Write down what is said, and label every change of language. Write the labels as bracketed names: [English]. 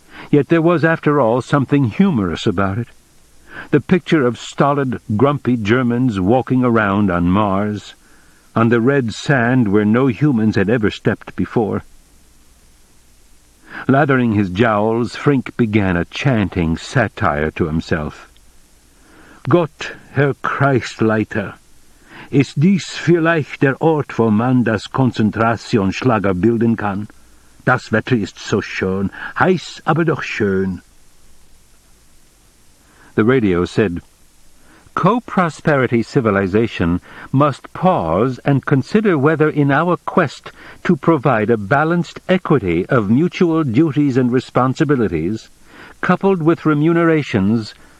[English] Yet there was, after all, something humorous about it. The picture of stolid, grumpy Germans walking around on Mars, on the red sand where no humans had ever stepped before. Lathering his jowls, Frink began a chanting satire to himself. [German] "Gott, Herr Christleiter, ist dies vielleicht der Ort, wo man das Konzentrationsschlager bilden kann? Das Wetter ist so schön, heiß aber doch schön." [English] The radio said, "Co-prosperity civilization must pause and consider whether in our quest to provide a balanced equity of mutual duties and responsibilities, coupled with remunerations..."